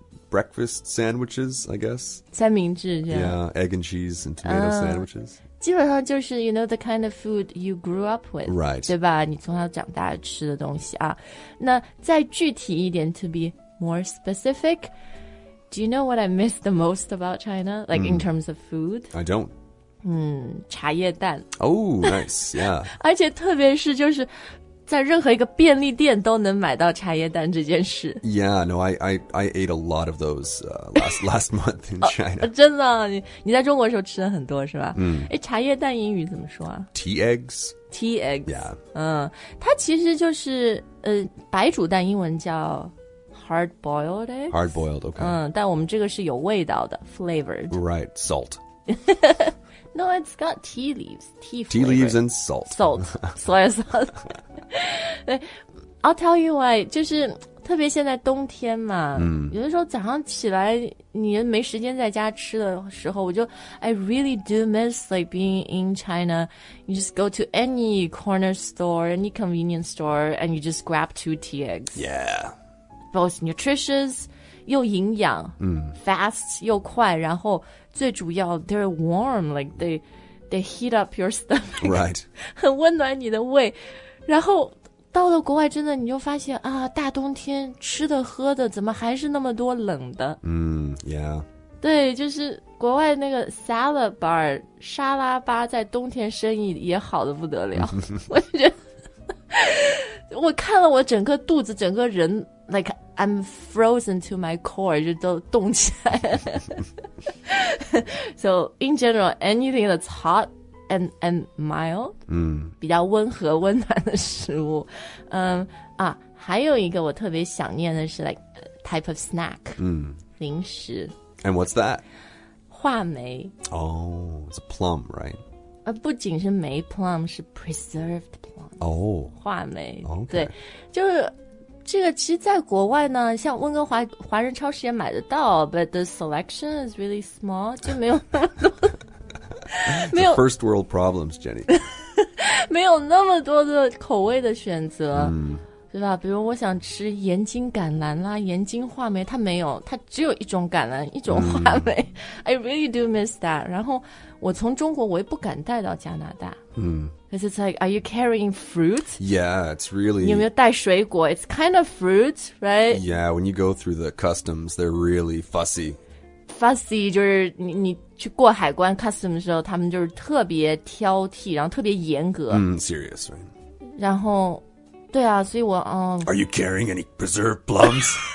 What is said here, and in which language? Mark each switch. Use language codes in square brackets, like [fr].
[en] Breakfast sandwiches, I guess. [zh] 三明治, [en] yeah. Yeah, egg and cheese and tomato sandwiches. [zh] 基本上就是 [en] you know the kind of food you grew up with, right? [zh] 对吧？你从小长大吃的东西啊。那再具体一点 [en] ，to be more specific, do you know what I miss the most about China? Like in terms of food? I don't. [zh] 茶叶蛋。 [en] Oh, nice. Yeah. [zh] 而且特别是就是在任何一个便利店都能买到茶叶蛋这件事。 [en] Yeah, no, I ate a lot of those last month in China. [zh] 、真的、你在中国的时候吃了很多是吧、茶叶蛋英语怎么说啊 [en] ?Tea eggs. Tea eggs. Yeah.、 [zh] 它其实就是、白煮蛋英文叫 hard boiled eggs. [en] Hard boiled, okay.、 [zh] 但我们这个是有味道的 flavored. [en] Right, salt. No, it's got tea leaves. Tea, tea leaves and salt. Salt. Soy sauce. I'll tell you why. [zh] 就是特别现在冬天嘛、有的时候早上起来你没时间在家吃的时候我就 [en] I really do miss like being in China. You just go to any corner store, any convenience store, and you just grab two tea eggs. Yeah. Both nutritious, [zh] 又营养、 [en] fast, [zh] 又快然后最主要 [en] they're warm, like they heat up your stomach. Right. [zh] 很温暖你的胃。然后到了国外真的你就发现啊大冬天吃的喝的怎么还是那么多冷的。 [en] Yeah. [zh] 对就是国外那个 salad bar, 沙拉吧在冬天生意也好得不得了。我觉得我看了我整个肚子整个人 like, [en] I'm frozen to my core, [zh] 就都冻起来了。 [en] So, in general, anything that's hot and mild,、 [zh] 比较温和温暖的食物。还有一个我特别想念的是 like, [en] type of snack,、 [zh] 零食。 [en] And what's that? [zh] 话梅。 [en] Oh, it's a plum, right? [zh] 不仅是梅 plum, 是 preserved plum. [en] Oh. [zh] 话梅。 [en] Okay. [zh] 对。就是这个其实在国外呢像温哥华华人超市也买得到 [en] but the selection is really small [zh] 就没有那么多 [en] the first world problems Jenny [zh] 没有那么多的口味的选择、对吧比如我想吃盐津橄榄啦盐津话梅它没有它只有一种橄榄一种话梅、 [en] I really do miss that [zh] 然后我从中国我也不敢带到加拿大 [en] Because it's like, are you carrying fruit? Yeah, it's really... [zh] 你有没有带水果 [en] It's kind of fruit, right? Yeah, when you go through the customs, they're really fussy. [zh] Fussy, 就是 你去过海关 customs 的时候他们就是特别挑剔然后特别严格。 [en] Serious, right? [zh] 然后对啊所以我、 [en] Are you carrying any preserved plums?